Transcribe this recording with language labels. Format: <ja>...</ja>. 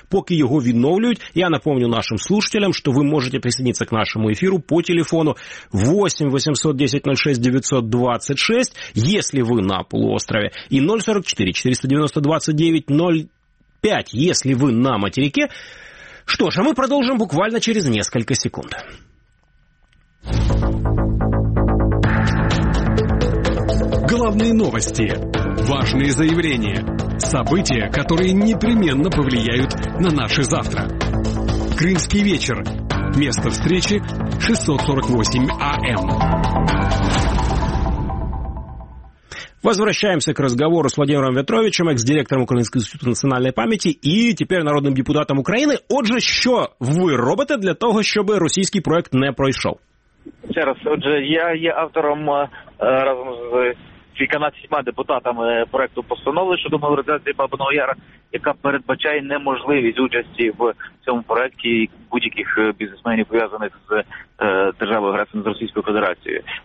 <uk>Поки його відновлюють, я напомню нашим слушателям, що ви можете присоединитися к нашому ефіру по телефону 8-810-06-926, якщо ви на полуострові, і 044-492-9-05, якщо ви на материке. Що ж, а ми продовжимо буквально через кілька секунд.</uk> <ru>Главные новости, важные заявления, события, которые непременно повлияют на наше завтра. Крымский вечер. Место встречи 648 АМ. Возвращаемся к разговору с Владимиром В'ятровичем, экс-директором Украинского института национальной памяти и теперь народным депутатом Украины. Отже, что вы робите для того, чтобы российский проект не пройшел?</ru> <uk>Ще раз, отже, я є автором разом з 15 депутатами проекту постанови щодо меморіалізації Бабиного Яра, яка передбачає неможливість участі в цьому проєкті будь-яких бізнесменів, пов'язаних з державою-агресором, з Російською Федерацією.</uk>